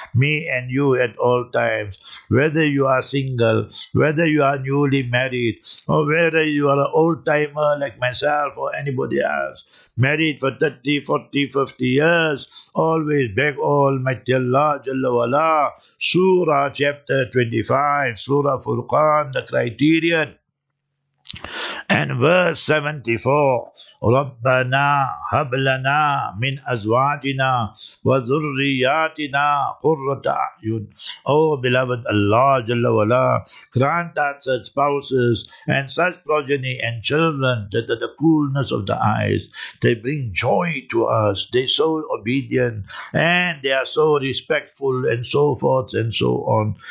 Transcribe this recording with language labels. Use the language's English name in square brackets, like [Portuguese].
[English] Me and you at all times, whether you are single, whether you are newly married, or whether you are an old timer like myself or anybody else, married for 30, 40, 50 years, always beg Almighty Allah Jalla, Surah chapter 25, Surah Furqan, the criterion. And verse 74, [Arabic] رَبَّنَا هَبْلَنَا مِنْ أَزْوَاجِنَا وَذُرِّيَاتِنَا قُرَّةَ أَعْيُنٍ. [English] O beloved Allah Jalla Wala, grant us such spouses and such progeny and children that are the coolness of the eyes. They bring joy to us, they so obedient and they are so respectful and so forth and so on.